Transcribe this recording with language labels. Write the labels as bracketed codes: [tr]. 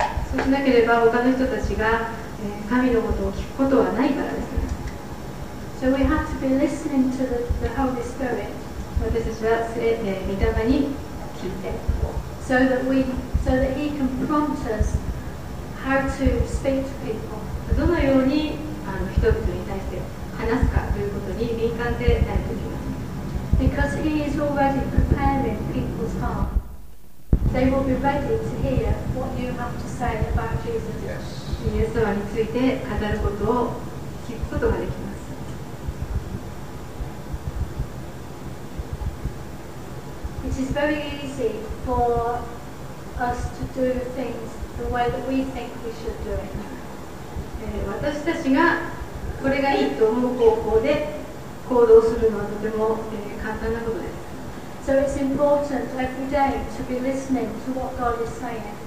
[ja] そうしなければ他の人たちが、神のことを聞くことはないからです。 [en] So we have to be listening to the Holy Spirit. [ja] 私たちは御霊に聞いて、 [en] so that He can prompt us how to speak to people. [ja] どのように人々に対して話すかということに敏感でないといけません。 [en] Because He is already preparing people's heart. They will be ready to hear what you have to say about Jesus. Yes. [ja] イエス様について語ることを聞くことができます。 [en] It is very easy for us to do things the way that we think we should do it. [ja] 私たちがこれがいいと思う方法で行動するのはとても、簡単なことです。 [en] So it's important every day to be listening to what God is saying.